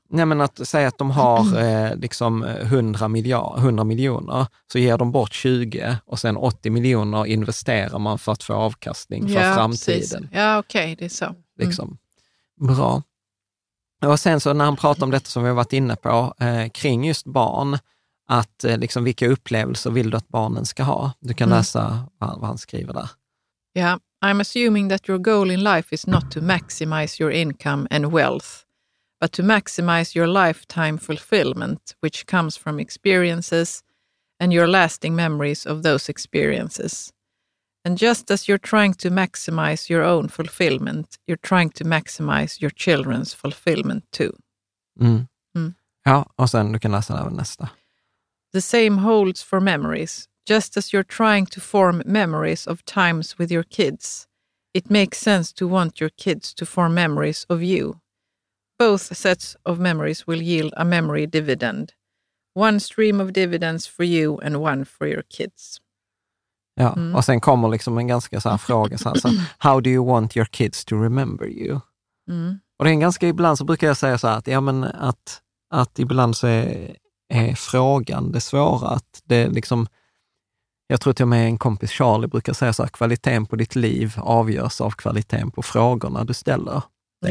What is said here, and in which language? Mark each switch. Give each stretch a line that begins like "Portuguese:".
Swedish: Nej, men att säga att de har liksom 100 miljoner, så ger de bort 20 och sen 80 miljoner investerar man för att få avkastning för framtiden. Precis. Ja, okej, okay, det är så. Mm. Liksom. Bra. Och sen så när han pratar om detta som vi har varit inne på, kring just barn, att liksom vilka upplevelser vill du att barnen ska ha? Du kan läsa vad han skriver där.
English: Ja, yeah. I'm assuming that your goal in life is not to maximize your income and wealth, but to maximize your lifetime fulfillment, which comes from experiences and your lasting memories of those experiences. And just as you're trying to maximize your own fulfillment, you're trying to maximize your children's fulfillment too. Mm. Mm.
Swedish: Ja, och sen du kan läsa även nästa.
English: The same holds for memories. Just as you're trying to form memories of times with your kids, it makes sense to want your kids to form memories of you. Both sets of memories will yield a memory dividend. One stream of dividends for you and one for your kids.
Swedish: Ja, mm. Och sen kommer liksom en ganska så här fråga, så här, så, how do you want your kids to remember you? Mm. Och det är en ganska, ibland så brukar jag säga så här, att, ja, men att ibland så är frågan det svåra, att det liksom, jag tror till och med en kompis Charlie brukar säga så här, kvaliteten på ditt liv avgörs av kvaliteten på frågorna du ställer dig,